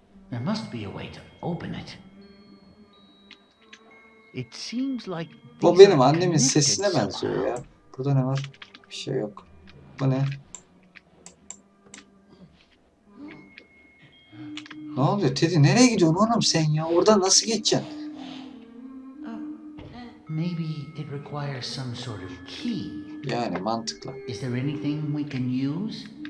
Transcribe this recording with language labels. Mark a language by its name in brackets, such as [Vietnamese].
[English] There must be a way to open it. It seems like [Turkish] bu benim annemin sesine benziyor ya. Burada ne var? Bir şey yok. Bu ne? Ne oluyor? Teddy nereye gidiyorsun oğlum sen ya? Orada nasıl geçeceksin? [English] Maybe it requires some sort of key. [Turkish] Yani mantıklı. [English] Is there anything we can use?